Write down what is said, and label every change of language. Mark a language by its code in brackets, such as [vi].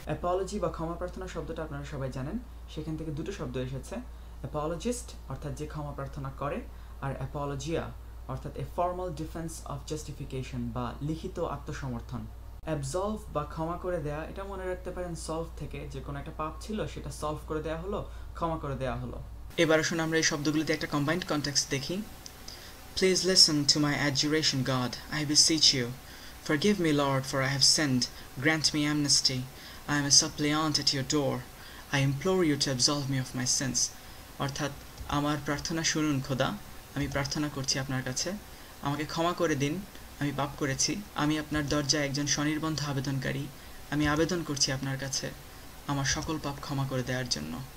[bn] Apology বা ক্ষমা প্রার্থনা শব্দটা আপনারা সবাই জানেন, সেখান থেকে দুটো শব্দ এসেছে, অ্যাপোলজিস্ট অর্থাৎ যে ক্ষমা প্রার্থনা করে, আর অ্যাপোলজিয়া অর্থাৎ [en] a formal defence of justification [bn] বা লিখিত আত্মসমর্থন। অ্যাবজলভ বা ক্ষমা করে দেয়া, এটা মনে রাখতে পারেন সলভ থেকে, যে কোনো একটা পাপ ছিল সেটা সলভ করে দেওয়া হলো, ক্ষমা করে দেওয়া হলো। এবার আসুন আমরা এই শব্দগুলিতে একটা কম্বাইন্ড কনটেক্সট দেখি। [en] Please listen to my adjuration, God. I beseech you. Forgive me, Lord, for I have sinned. Grant me amnesty. I am a suppliant at your door. I implore you to absolve me of my sins. [bn] অর্থাৎ আমার প্রার্থনা শুনুন খোদা, আমি প্রার্থনা করছি আপনার কাছে, আমাকে ক্ষমা করে দিন, আমি পাপ করেছি, আমি আপনার দরজায় একজন স্বনির্বন্ধ আবেদনকারী, আমি আবেদন করছি আপনার কাছে আমার সকল পাপ ক্ষমা করে দেওয়ার জন্য।